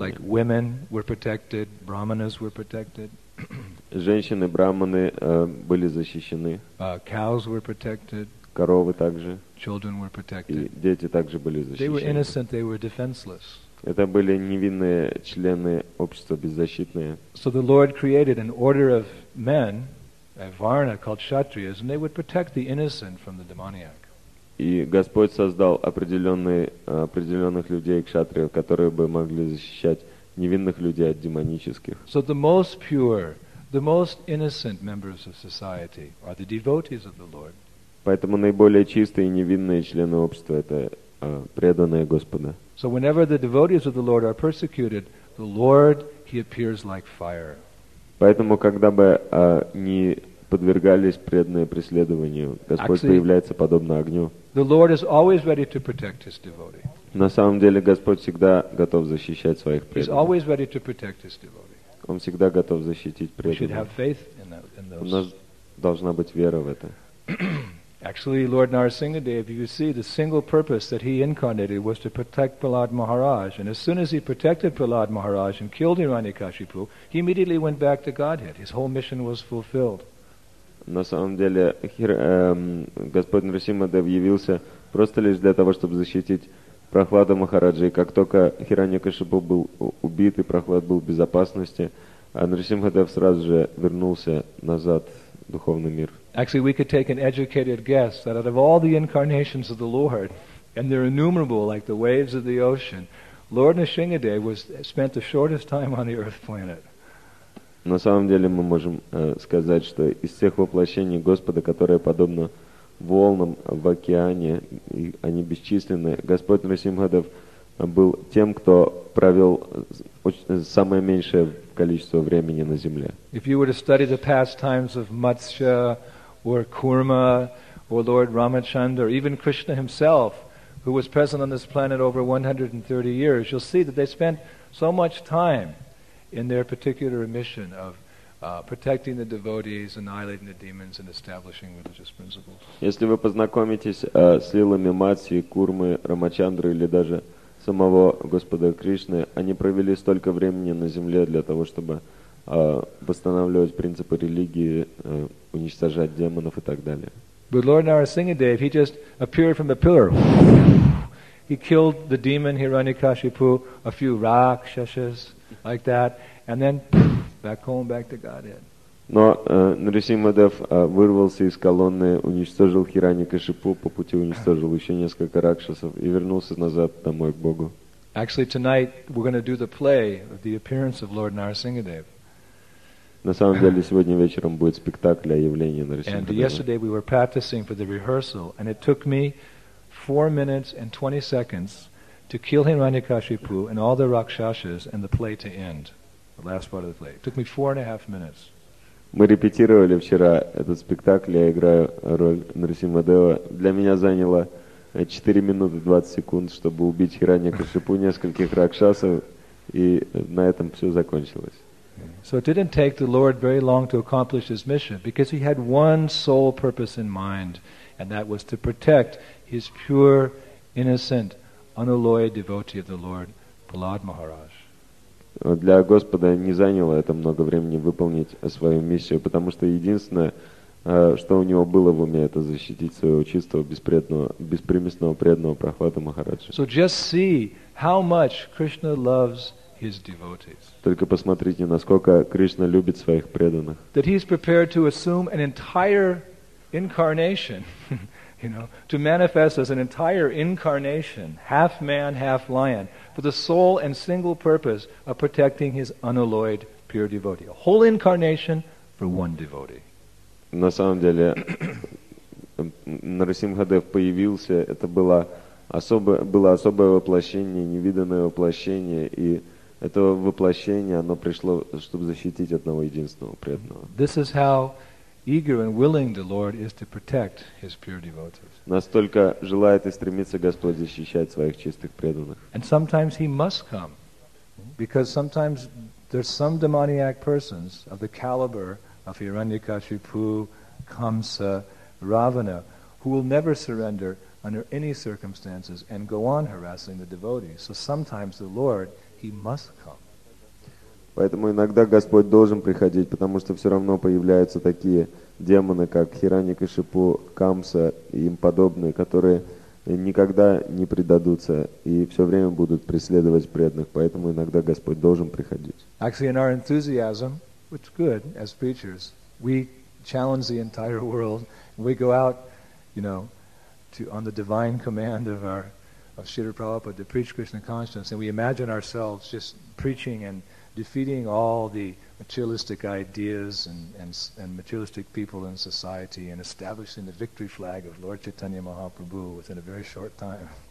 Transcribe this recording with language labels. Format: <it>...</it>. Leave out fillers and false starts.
<en>Like women were protected, brahmanas were protected.</en> <ru>Женщины, брахманы были защищены.</ru> <en>Cows were protected.</en> <ru>Коровы также.</ru> <en>Children were protected.</en> <ru>И дети также были защищены.</ru> <en>They were innocent, they were defenseless.</en> <ru>Это были невинные члены общества, беззащитные.</ru> <en>So the Lord created an order of men, a varna called kshatriyas, and they would protect the innocent from the demoniac.</en> <ru>И Господь создал определенных людей, кшатриев, которые бы могли защищать невинных людей от демонических.</ru> <en>So the most pure, the most innocent members of society are the devotees of the Lord.</en> <ru>Поэтому наиболее чистые и невинные члены общества — это преданные Господа.</ru> <en>So whenever the devotees of the Lord are persecuted, the Lord, he appears like fire.</en> <ru>Поэтому, когда бы не подвергались преданные преследованию, Господь</ru> <en>Actually,</en> <ru>появляется подобно огню.</ru> <en>The Lord is always ready to protect his devotee.</en> <ru>На самом деле, Господь всегда готов защищать своих преданных.</ru> <en>He's always ready to protect his devotee.</en> <ru>Он всегда готов защитить преданных.</ru> <en>We should have faith in those.</en> <ru>У нас должна быть вера в это.</ru> <en>Actually, Lord Narasimhadev, you see, the single purpose that he incarnated was to protect Prahlad Maharaj. And as soon as he protected Prahlad Maharaj and killed Hiranyakashipu, he immediately went back to Godhead. His whole mission was fulfilled.</en> <ru>На самом деле, Господь Нарасимхадев явился просто лишь для того, чтобы защитить Прохлада Махараджа. И как только Хиранья-Кашипу был убит и Прохлад был в безопасности, Нарасимхадев сразу же вернулся назад в духовный мир.</ru> <en>Actually, we could take an educated guess that out of all the incarnations of the Lord, and they're innumerable like the waves of the ocean, Lord Narasimhadev spent the shortest time on the earth planet.</en> <ru>На самом деле мы можем сказать, что из всех воплощений Господа, которые подобно волнам в океане, и они бесчисленны, Господь Нарасимхадев был тем, кто провел самое меньшее количество времени на земле.</ru> <en>If you were to study the past times of Matsya, or Kurma, or Lord Ramachandra, or even Krishna himself, who was present on this planet over 130 years, you'll see that they spent so much time in their particular mission of protecting the devotees, annihilating the demons, and establishing religious principles.</en> <ru>Если вы познакомитесь с лилами Матси, Курмы, Рамачандры или даже самого Господа Кришны, они провели столько времени на земле для того, чтобы восстанавливать принципы религии, уничтожать демонов и так далее.</ru> <en>But Lord Narasimhadev, he just appeared from the pillar. He killed the demon Hiranyakashipu, a few rakshasas like that, and then back home, back to Godhead.</en> <ru>Но Нарисимхадев вырвался из колонны, уничтожил Хираньякашипу, по пути уничтожил еще несколько ракшасов и вернулся назад домой к Богу.</ru> <en>Actually, tonight we're going to do the play of the appearance of Lord Narasimhadev.</en> <ru>На самом деле сегодня вечером будет спектакль о явлении Нарисимхадева.</ru> <en>And yesterday we were practicing for the rehearsal, and it took me 4 minutes and 20 seconds to kill Hiranyakashipu and all the rakshasas and the play to end. The last part of the play. It took me 4.5 minutes.</en> <ru>Мы репетировали вчера этот спектакль, я играю роль Нарисимхадева. Для меня заняло 4 минуты 20 секунд, чтобы убить Хиранья-Кашипу, нескольких ракшасов, и на этом все закончилось.</ru> <en>So it didn't take the Lord very long to accomplish his mission, because he had one sole purpose in mind, and that was to protect his pure, innocent, unalloyed devotee of the Lord, Prahlad Maharaj.</en> <ru>Для Господа не заняло это много времени выполнить свою миссию, потому что единственное, что у него было в уме, это защитить своего чистого, беспредного, беспримесного, преданного Прохлада Махараджа.</ru> <en>So just see how much Krishna loves his devotees.</en> <ru>Только посмотрите, насколько Кришна любит своих преданных.</ru> <en>That he is prepared to assume an entire incarnation, you know, to manifest as an entire incarnation, half man, half lion, for the sole and single purpose of protecting his unalloyed pure devotee. A whole incarnation for one devotee.</en> <ru>На самом деле, Нарасимхадев появился, это было особое воплощение, невиданное воплощение, и это воплощение, оно пришло, чтобы защитить одного единственного преданного.</ru> <en>This is how eager and willing the Lord is to protect his pure devotees.</en> <ru>Настолько желает и стремится Господь защищать своих чистых преданных.</ru> <en>And sometimes he must come, because sometimes there's some demoniac persons of the caliber of Hiranyakashipu, Kamsa, Ravana, who will never surrender under any circumstances and go on harassing the devotees. So sometimes the Lord, he must come.</en> <ru>Поэтому иногда Господь должен приходить, потому что все равно появляются такие демоны, как Хираньякашипу, Камса и им подобные, которые никогда не предадутся и все время будут преследовать преданных. Поэтому иногда Господь должен приходить.</ru> <en>Actually, in our enthusiasm, which is good as preachers, we challenge the entire world. We go out, you know, to, on the divine command of our of Śrīla Prabhupāda to preach Krishna consciousness, and we imagine ourselves just preaching and defeating all the materialistic ideas and materialistic people in society and establishing the victory flag of Lord Chaitanya Mahaprabhu within a very short time.</en>